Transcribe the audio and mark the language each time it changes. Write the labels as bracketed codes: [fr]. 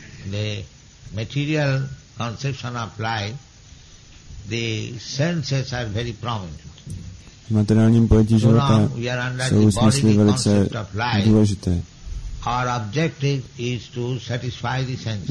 [en] The material conception of life, the senses are very prominent. [cs] V materiálním pojetí života jsou smysly velice důležité. [en] Our objective is to satisfy the senses.